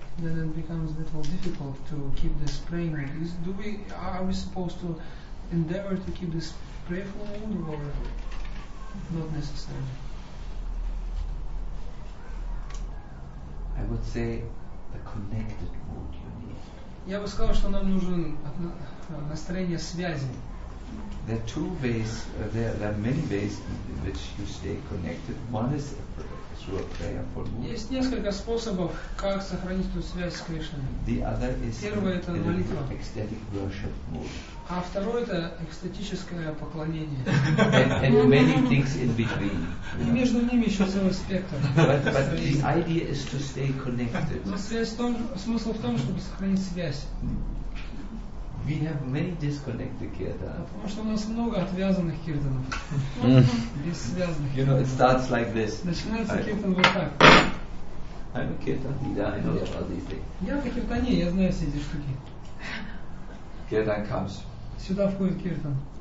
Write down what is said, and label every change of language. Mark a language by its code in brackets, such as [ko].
[en] then it becomes a little difficult to keep this praying mood. Are we supposed to endeavor to keep this prayerful mood or not necessarily? I would say the connected mood you need. [ru] Я бы сказал, что нам нужен настроение связи. [en] There are two ways, there are many ways in which you stay connected. One is through a prayerful mood. [ru] Есть несколько способов, как сохранить эту связь с Кришной. [en] The other is [ru] первое, это молитва. [en] Ecstatic worship mood. [ru] А второе, это экстатическое поклонение. [en] And many things in between. [ru] И между ними еще целый спектр. [en] But the idea is to stay connected. [ru] Но связь в том, смысл в том, чтобы сохранить связь. [en] We have many disconnected kirtans. [ru] Потому что у нас много отвязанных киртанов. Без связанных. [en] You know, it starts like this. [ru] Начинается киртан вот так. [en] I'm a kirtan leader, I know all these things. [ru] Я-то киртане, я знаю все эти штуки. [en] Kirtan comes. [ru] Сюда входит киртан.